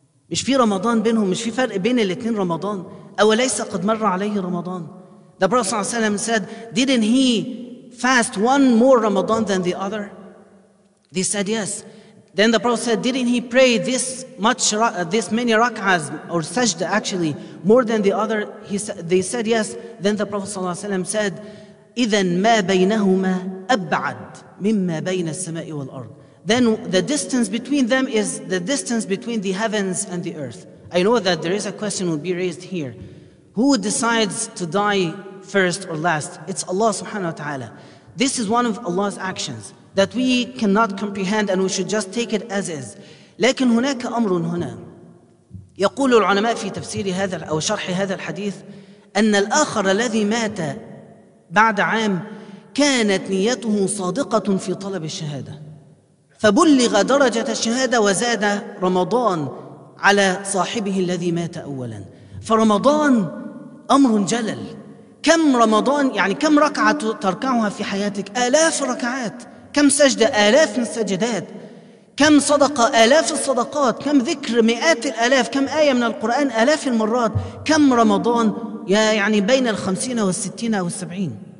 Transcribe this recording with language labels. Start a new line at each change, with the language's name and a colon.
Arabic: مش في رمضان بينهم، مش في فرق بين الاثنين رمضان. أَوَلَيْسَ قَدْ مَرَّ عَلَيْهِ رَمَضَانِ.
English: The Prophet ﷺ said, didn't he fast one more Ramadan than the other? They said yes. Then the Prophet said, didn't he pray this many rak'ahs or sajda actually more than the other? They said yes. Then the Prophet
Arabic: صلى الله عليه وسلم
English: said,
Arabic: إذن ما بينهما أبعد مما بين السماء والأرض.
English: then the distance between them is the distance between the heavens and the earth. I know that there is a question will be raised here. Who decides to die first or last? It's Allah subhanahu wa ta'ala. This is one of Allah's actions that we cannot comprehend and we should just take it as is.
Arabic: لكن هناك أمر هنا يقول العلماء في تفسير هذا أو شرح هذا الحديث أن الآخر الذي مات بعد عام كانت نيته صادقة في طلب الشهادة فبلغ درجة الشهادة وزاد رمضان على صاحبه الذي مات أولا فرمضان أمر جلل كم رمضان يعني كم ركعة تركعها في حياتك آلاف ركعات كم سجدة آلاف السجدات كم صدقة آلاف الصدقات كم ذكر مئات الآلاف كم آية من القرآن آلاف المرات كم رمضان يعني بين 50 أو 60 أو 70